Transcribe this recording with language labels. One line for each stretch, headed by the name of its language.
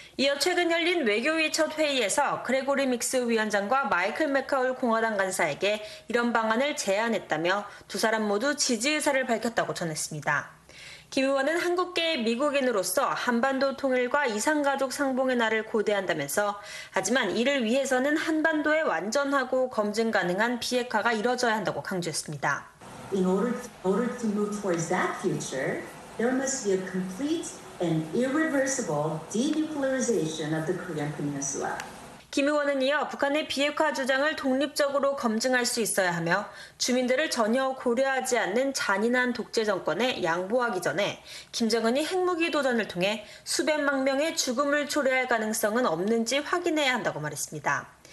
Korean: 이어 최근 열린 외교위 첫 회의에서 그레고리 믹스 위원장과 마이클 맥카울 공화당 간사에게 이런 방안을 제안했다며 두 사람 모두 지지 의사를 밝혔다고 전했습니다. 김 의원은 한국계 미국인으로서 한반도 통일과 이산가족 상봉의 날을 고대한다면서 하지만 이를 위해서는 한반도의 완전하고 검증 가능한 비핵화가 이뤄져야 한다고 강조했습니다.
English: In order to move towards that future, there must be a complete and irreversible denuclearization of the Korean Peninsula.
Korean: 김 의원은 이어 북한의 비핵화 주장을 독립적으로 검증할 수 있어야 하며 주민들을 전혀 고려하지 않는 잔인한 독재 정권에 양보하기 전에 김정은이 핵무기 도전을 통해 수백만 명의 죽음을 초래할 가능성은 없는지 확인해야 한다고 말했습니다.